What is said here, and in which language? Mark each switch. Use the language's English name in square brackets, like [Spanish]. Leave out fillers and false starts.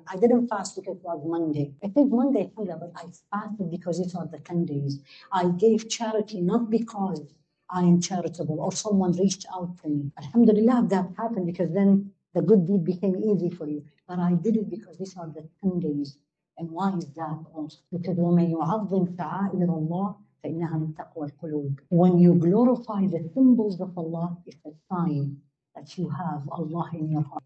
[English] I didn't fast because it was Monday. I think Monday, but I fasted because it was the 10 days. I gave charity not because I am charitable or someone reached out to me. Alhamdulillah, that happened because then the good deed became easy for you. But I did it because these are the 10 days. And why is that also? Because [Arabic] وَمَنْ يُعَظِّمْ شَعَائِرَ اللَّهِ فَإِنَّهَا مِنْ تَقْوَى الْقُلُوبِ. [English] When you glorify the symbols of Allah, it's a sign that you have Allah in your heart.